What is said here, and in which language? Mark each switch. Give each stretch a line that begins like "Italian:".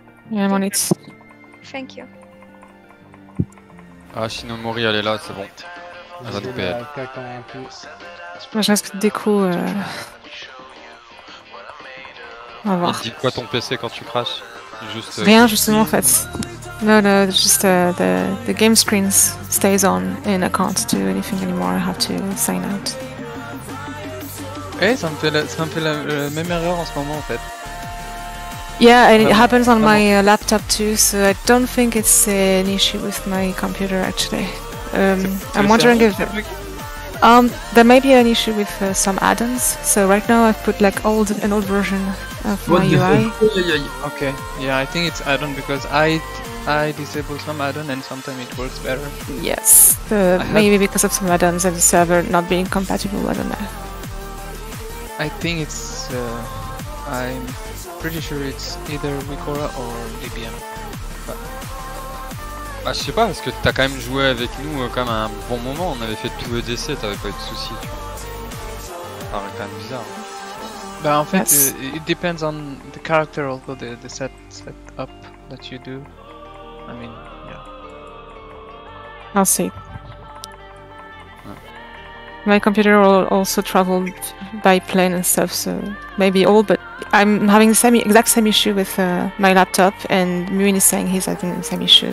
English: Yeah, mon it. Thank you.
French: Ah, Shinomori, elle est là, c'est bon. Elle va te payer. Moi je risque de déco. On va voir. Il dit quoi ton PC quand tu crashes? Juste. Rien, justement en fait. No, juste.
English: The game screen stays on and I can't do anything anymore. I have to sign out.
French: Eh, hey, ça me fait la même erreur en ce moment en fait.
English: Yeah, and it happens on my laptop too, so I don't think it's an issue with my computer actually. I'm wondering if there may be an issue with some add-ons. So right now I've put like an old version of what my UI. Okay, yeah, I think it's add-on because I disable some add-on and sometimes it works better. Yes, maybe because of some add-ons and the server not being compatible. I don't know. I think it's I'm pretty sure it's either Wikora or DBM.
French: Bah, je sais pas, parce que t'as quand même joué avec nous quand même un bon moment, on avait fait tout EDC, t'avais pas eu de soucis, tu vois. Ça paraît quand même bizarre. Bah en fait,
English: it depends on the character, also the set up that you do. I mean, yeah. I'll see. Ouais. My computer also traveled by plane and stuff, so maybe all, but I'm having the exact same issue with my laptop, and Muin is saying he's having the same issue.